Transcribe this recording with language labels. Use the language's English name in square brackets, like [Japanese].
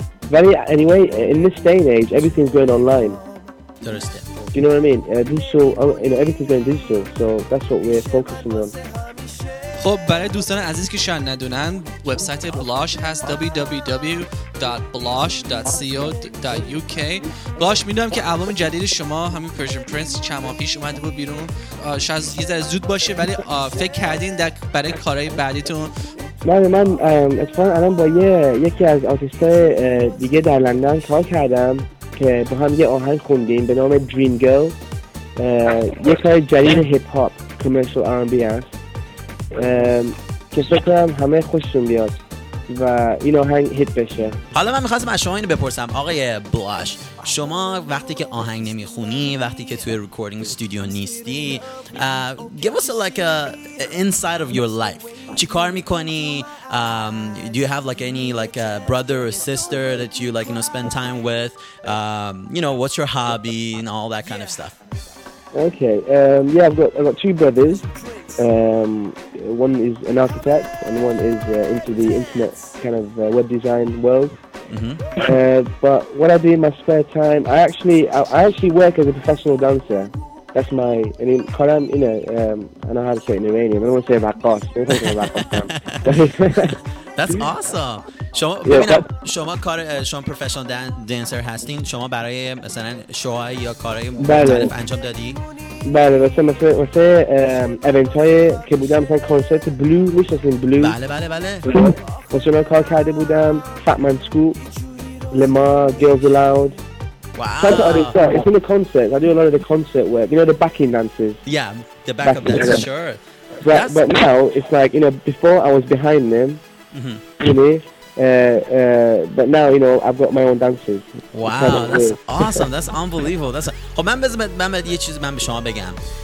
[Persian] ولی [English] anyway in this day and age everything's going online. [Persian] درسته. [English] You know what I mean? Everything's going digital, so that's what we're focusing on. [Persian] خب برای دوستان عزیز که شاید ندونن وبسایت بلاش هست www.blash.co.uk. بلاش میدونم که آلبوم جدید شما همین Persian Prince چند ماه پیش اومده بود بیرون. شاید یه ذره زود باشه ولی فکر کردین در برای کارهای بعدیتون؟ من اتفاقا الان با یکی از آرتिस्टای دیگه در لندن کار کردم که با هم یه آهنگ خوندیم به نام Dream Girl. یک کار جدید هیپ هاپ کامرشال R&B است. که فکرم همه خوششون بیاد و این آهنگ هیت بشه. حالا من میخواستم از شما اینو بپرسم آقای بلاش، شما وقتی که آهنگ نمیخونی، وقتی که توی ریکوردینگ استودیو نیستی، [English] give us like a inside of your life. [Persian] چی کار میکنی؟ [English] Do you have like any like a brother or sister that you like, you know, spend time with? You know, what's your hobby and all that kind of stuff? Okay. Yeah, I've got two brothers. One is an architect and one is into the internet kind of web design world. Mm-hmm. But what I do in my spare time, I actually work as a professional dancer. That's my, I mean, Karam, you know, I know how to say it in Iranian. I don't want to say Raqqas. That's awesome. [Persian] شما کار شما پروفشنال دنسر هستین؟ شما برای مثلا شوها یا کارهای مختلف انجام دادی؟ بله، مثلا ایونت های که بودم، مثلا کنسرت بلو میشناسین؟ بلو، بله. مثلا من کار کرده بودم فاتمن سکوپ، لما، گرلز الاود. [English] Wow. That's what I do. It's in the concerts. I do a lot of the concert work. You know, the backing dancers. Yeah, the backup dancers. Sure. But now it's like, you know, before I was behind them. Mm-hmm. You know, but now, you know, I've got my own dancers. Wow, that's awesome. That's unbelievable. That's. [Persian] خب من بذم من بذم یه چیز من به شما بگم.